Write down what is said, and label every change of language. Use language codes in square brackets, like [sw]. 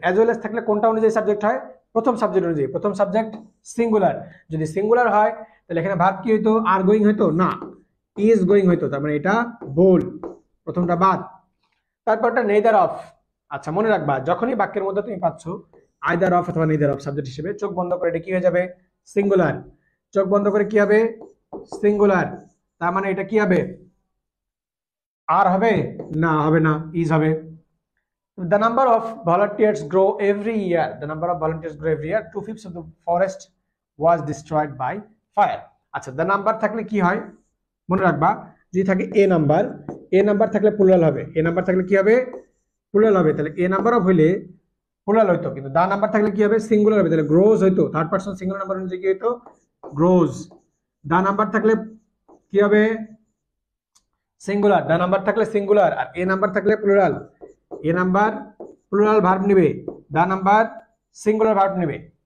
[bn] As well as থাকলে কোনটা অনুযায়ী সাবজেক্ট হয়, প্রথম সাবজেক্ট অনুযায়ী, প্রথম সাবজেক্ট সিঙ্গুলার, যদি সিঙ্গুলার হয় তাহলে এখানে ভার্ব কি হইতো, আর গোয়িং হইতো না, ইজ গোয়িং হইতো, তার মানে এটা বোল, প্রথমটা বাদ, তারপরটা নেইদার অফ। আচ্ছা মনে রাখবা, যখনই বাক্যের মধ্যে তুমি পাচ্ছ আইদার অফ অথবা নেইদার অফ সাবজেক্ট হিসেবে, চোখ বন্ধ করে এটা কি হয়ে যাবে, সিঙ্গুলার, চোখ বন্ধ করে কি হবে, সিঙ্গুলার, তার মানে এটা কি হবে, আর হবে না, হবে না, ইজ হবে। [en] The number of volunteers grow every year. The number of volunteers grow every year. Two-fifths of the forest was destroyed by fire. [bn] আচ্ছা, দ্য নাম্বার থাকলে কি হয় মনে রাখবা, যদি থাকে এ নাম্বার, এ নাম্বার থাকলে প্লুরাল হবে, এ নাম্বার থাকলে কি হবে প্লুরাল হবে, তাহলে এ নাম্বারও হইলে প্লুরাল হইতো, কিন্তু দ্য নাম্বার থাকলে কি হবে সিঙ্গুলার হবে, তাহলে গ্রোজ হইতো, থার্ড পার্সন সিঙ্গুলার নাম্বার অনুযায়ী কি হইতো গ্রোজ, দ্য নাম্বার থাকলে কি হবে সিঙ্গুলার, দ্য নাম্বার থাকলে সিঙ্গুলার, আর এ নাম্বার থাকলে প্লুরাল, এ নাম্বার প্লুরাল ভার্ব নিবে, দ্য নাম্বার সিঙ্গুলার ভার্ব নিবে।